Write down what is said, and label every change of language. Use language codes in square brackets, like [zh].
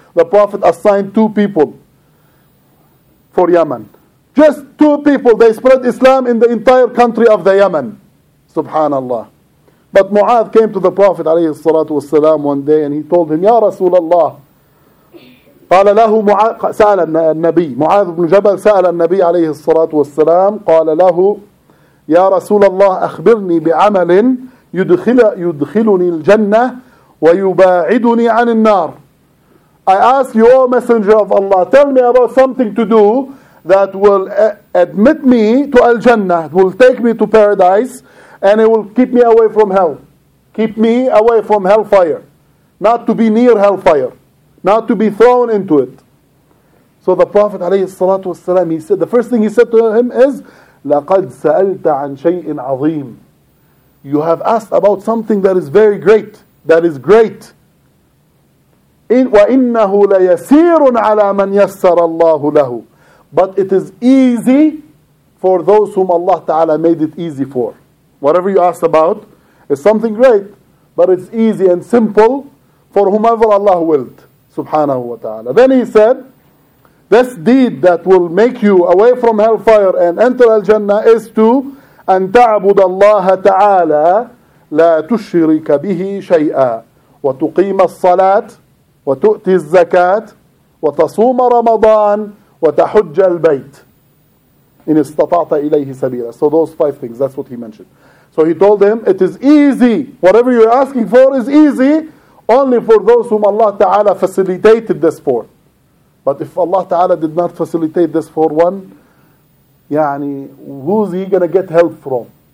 [en] The Prophet assigned two people for Yemen. Just two people, they spread Islam in the entire country of the Yemen. Subhanallah. But Mu'adh came to the Prophet ﷺ one day and he told him, Ya Rasulallah, [ar] قال له سأل النبي معاذ بن جبل سأل النبي عليه الصلاة والسلام قال له يا رسول الله أخبرني بعمل يدخلني الجنة ويباعدني عن النار. [en] I ask you, O Messenger of Allah, tell me about something to do that will admit me to al-Jannah, will take me to paradise, and it will keep me away from hell. Keep me away from hellfire. Not to be near hellfire. Not to be thrown into it. So the Prophet alayhi salatu wasalam, he said, the first thing he said to him is, [ar] لَقَدْ سَأَلْتَ عَنْ شَيْءٍ عَظِيمٍ. [en] You have asked about something that is very great. That is great. [ar] وَإِنَّهُ لَيَسِيرٌ عَلَى مَنْ يَسَّرَ اللَّهُ لَهُ. [en] But it is easy for those whom Allah Ta'ala made it easy for. Whatever you ask about is something great, but it's easy and simple for whomever Allah willed, subhanahu wa ta'ala. Then he said, this deed that will make you away from hellfire and enter al-Jannah is to [ar] أن تعبد الله تعالى لا تشرك به شيئا وتقيم الصلاة وتؤتي الزكاة وتصوم رمضان وتحج البيت إن استطعت إليه سبيلا. [en] So those five things, that's what he mentioned. So he told him, it is easy, whatever you're asking for is easy only for those whom Allah Ta'ala facilitated this for. But if Allah Ta'ala did not facilitate this for one, يعني, who's he going to get help from?